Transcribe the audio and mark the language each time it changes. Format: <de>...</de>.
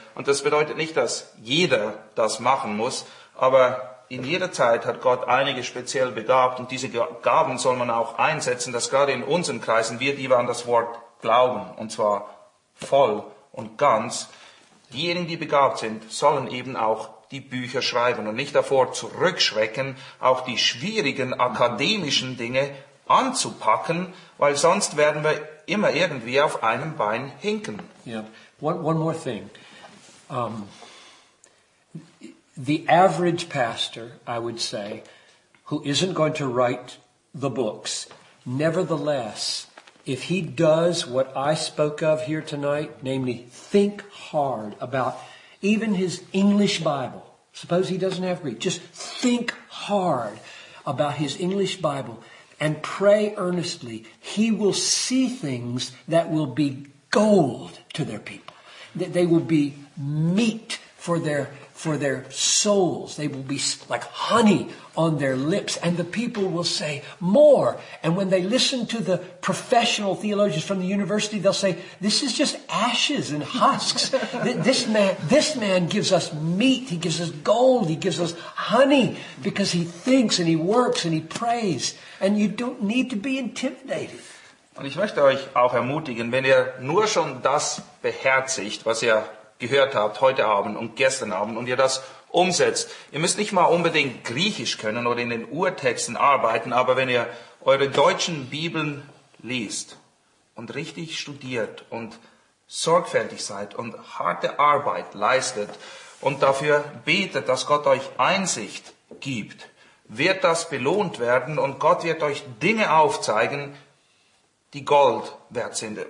<de>Und das bedeutet nicht, dass jeder das machen muss, aber in jeder Zeit hat Gott einige speziell begabt und diese Gaben soll man auch einsetzen, dass gerade in unseren Kreisen wir, die wir an das Wort glauben, und zwar voll und ganz, diejenigen, die begabt sind, sollen eben auch die Bücher schreiben und nicht davor zurückschrecken, auch die schwierigen akademischen Dinge anzupacken, weil sonst werden wir immer irgendwie auf einem Bein hinken.</de> <en>Yeah. One more thing. The average pastor, I would say, who isn't going to write the books, nevertheless, if he does what I spoke of here tonight, namely think hard about even his English Bible, suppose he doesn't have Greek, just think hard about his English Bible and pray earnestly, he will see things that will be gold to their people. That they will be meat for their souls. They will be like honey on their lips, and the people will say more. And when they listen to the professional theologians from the university, they'll say, this is just ashes and husks. this man gives us meat, he gives us gold, he gives us honey, because he thinks and he works and he prays. And you don't need to be intimidated.</en> <de>Und ich möchte euch auch ermutigen, wenn ihr nur schon das beherzigt, was ihr gehört habt heute Abend und gestern Abend und ihr das umsetzt. Ihr müsst nicht mal unbedingt Griechisch können oder in den Urtexten arbeiten, aber wenn ihr eure deutschen Bibeln liest und richtig studiert und sorgfältig seid und harte Arbeit leistet und dafür betet, dass Gott euch Einsicht gibt, wird das belohnt werden und Gott wird euch Dinge aufzeigen, die Gold wert sind.</de>